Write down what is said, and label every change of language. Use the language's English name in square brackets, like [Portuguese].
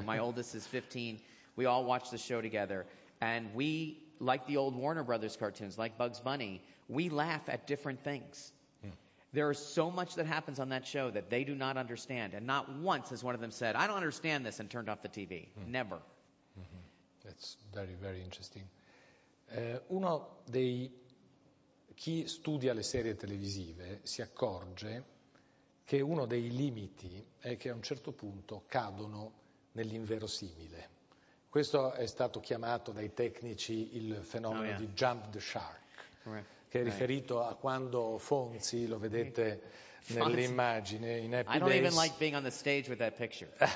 [English] My oldest is 15. We all watch the show together. And we, like the old Warner Brothers cartoons, like Bugs Bunny, we laugh at different things. There is so much that happens on that show that they do not understand. And not once has one of them said, I don't understand this, and turned off the TV. Mm. Never. Mm-hmm. That's very, very interesting. [Italian] Uno dei... Chi studia le serie televisive si accorge che uno dei limiti è che a un certo punto cadono nell'inverosimile. Questo è stato chiamato dai tecnici il fenomeno di jump the shark. Che è riferito a quando Fonzi, lo vedete nell'immagine, in Happy Days. [English] I don't even like being on the stage with that picture.